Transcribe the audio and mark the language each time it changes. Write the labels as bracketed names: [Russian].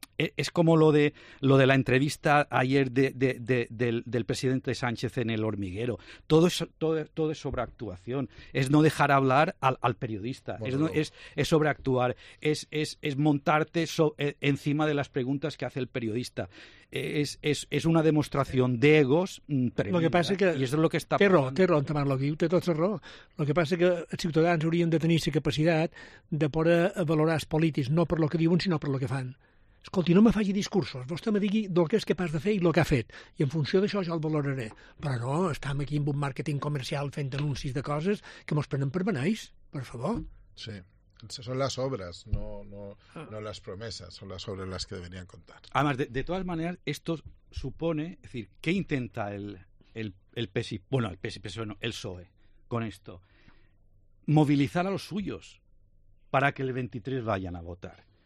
[Spanish] es como lo de la entrevista ayer del presidente Sánchez en El Hormiguero. Todo es sobreactuación. Es no dejar hablar al periodista. Bueno, es sobreactuar. Es montarte encima de las preguntas que hace el periodista. Es una demostración de egos tremenda. Lo que pasa que, y eso es lo que está pasando. [Catalan] Té raó, Tamar, lo que diu, té tota raó. Lo que passa és que els ciutadans haurien de tenir la capacitat de poder valorar els polítics, no per el que diuen, sinó per el que fan. Escolti, no me faci discursos, vostè me digui el que és capaç de fer i el que ha fet. I en funció d'això jo el valoraré. Però no, estem aquí amb un màrqueting comercial fent anuncis de coses que mos prenen per beneis, per favor. Sí. [Spanish] Son las obras, no las promesas, son las obras las que deberían contar. Además, de todas maneras, esto supone, es decir, ¿qué intenta el PSI, bueno, el PSI, bueno, el PSOE, con esto? Movilizar a los suyos para que el 23 vayan a votar.